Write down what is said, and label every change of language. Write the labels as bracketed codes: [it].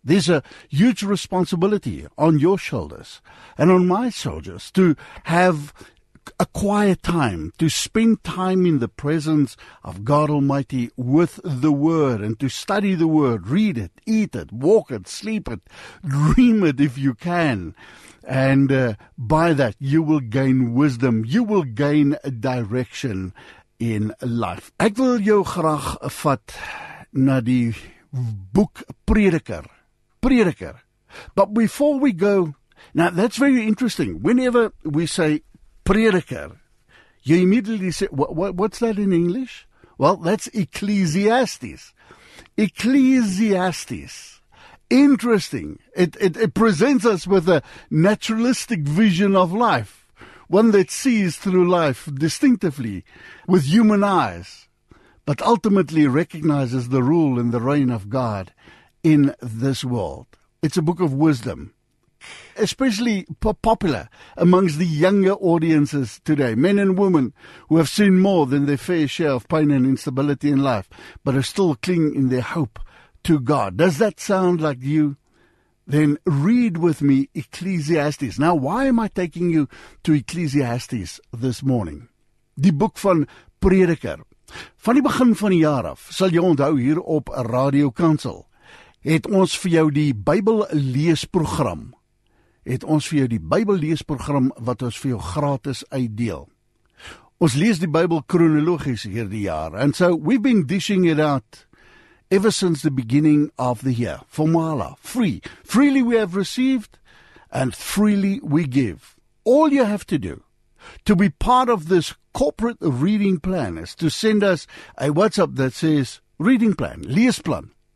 [en] There's a huge responsibility on your shoulders and on my shoulders to have a quiet time, to spend time in the presence of God Almighty with the Word, and to study the Word, read it, eat it, walk it, sleep it, dream it if you can. And by that, you will gain wisdom. You will gain direction in life. [af] Ek wil jou graag vat na die boek Prediker. Prediker. [en] But before we go, now that's very interesting. Whenever we say Prediker, you immediately say, what's that in English? Well, that's Ecclesiastes. Ecclesiastes. Interesting. It presents us with a naturalistic vision of life, one that sees through life distinctively with human eyes, but ultimately recognizes the rule and the reign of God in this world. It's a book of wisdom, especially popular amongst the younger audiences today, men and women who have seen more than their fair share of pain and instability in life, but are still clinging in their hope to God. Does that sound like you? Then read with me Ecclesiastes. Now, why am I taking you to Ecclesiastes this morning? [af] Die boek van Prediker. Van die begin van die jaar af, sal jy onthou hier op Radio Kansel, het ons vir jou die Bybel leesprogram. Het ons vir jou die Bybel leesprogram wat ons vir jou gratis uitdeel. Ons lees die Bybel chronologies hierdie jaar. [en] And so we've been dishing it out ever since the beginning of the year. Formala, free. Freely we have received and freely we give. All you have to do to be part of this corporate reading plan is to send us a WhatsApp that says reading plan, leesplan.